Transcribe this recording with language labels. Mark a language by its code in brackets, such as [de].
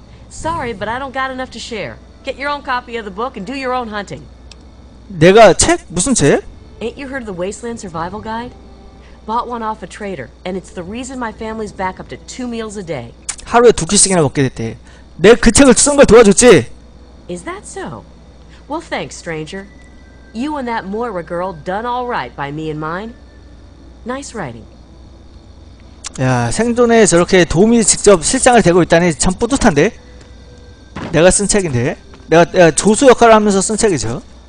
[en] Sorry, but I don't got enough to share. Get your own copy of the book and do your own hunting. [ko] 내가 책? 무슨 책? [en] Ain't you heard of the Wasteland Survival Guide? Bought one off a trader, and it's the reason my family's back up to 2 meals a day. [ko] 하루에 두 끼씩이나 먹게 됐대. 내가 그 책을 쓴 걸 도와줬지? [en] Is that so? Well, thanks, stranger. You and that Moira girl done all right by me and mine. Nice writing. [ko] 야, 생존에 저렇게 도움이 직접 실상을 대고 있다니 참 뿌듯한데? 내가 쓴 책인데? 내가 조수 역할을 하면서 쓴 책이죠?